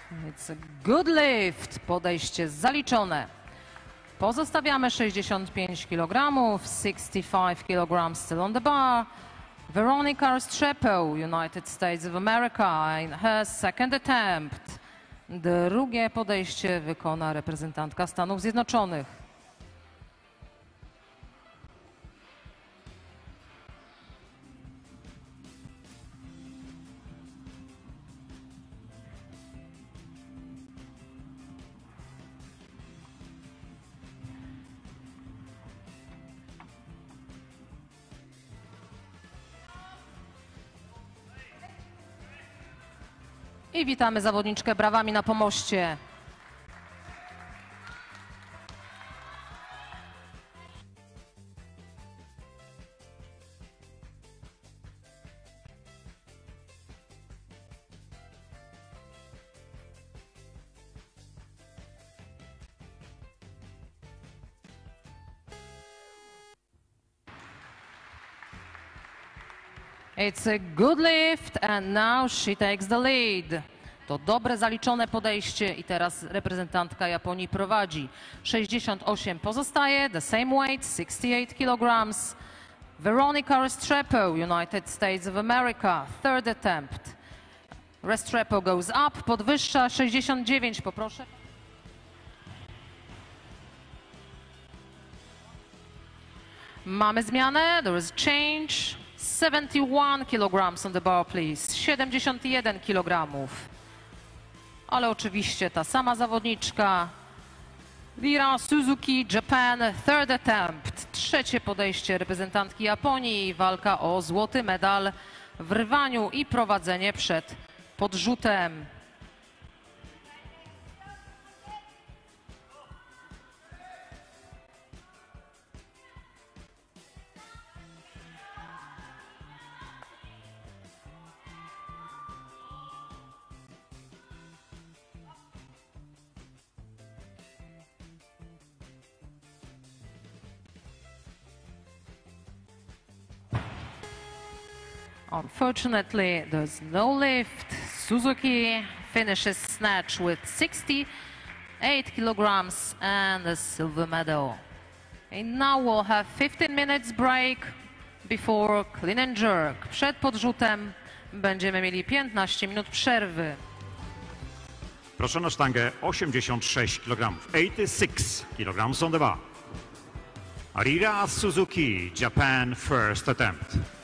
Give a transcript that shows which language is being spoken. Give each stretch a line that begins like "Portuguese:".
English: It's a good lift.
Polish: Podejście zaliczone. Pozostawiamy 65 kilogramów.
English: 65 kilograms still on the bar. Veronica Restrepo, United States of America, in her second attempt.
Polish: Drugie podejście wykona reprezentantka Stanów Zjednoczonych. I witamy zawodniczkę brawami na pomoście.
English: It's a good lift and now she takes the lead.
Polish: To dobre, zaliczone podejście i teraz reprezentantka Japonii prowadzi.
English: 68
Polish: pozostaje,
English: the same weight, 68 kilograms. Veronica Restrepo, United States of America, third attempt. Restrepo goes up,
Polish: podwyższa,
English: 69,
Polish: poproszę. Mamy zmianę,
English: there is change. 71 kilograms on the bar, please.
Polish: 71 kilogramów. Ale oczywiście ta sama zawodniczka, Rira Suzuki, Japan, third attempt. Trzecie podejście reprezentantki Japonii, walka o złoty medal w rwaniu i prowadzenie przed podrzutem.
English: Unfortunately, there's no lift. Suzuki finishes snatch with 68 kilograms and a silver medal. And now we'll have 15 minutes break before clean and jerk.
Polish: Przed podrzutem będziemy mieli 15 minut przerwy. Proszę na sztangę 86 kilogramów.
English: 86 kilograms on the bar. Rira Suzuki, Japan first attempt.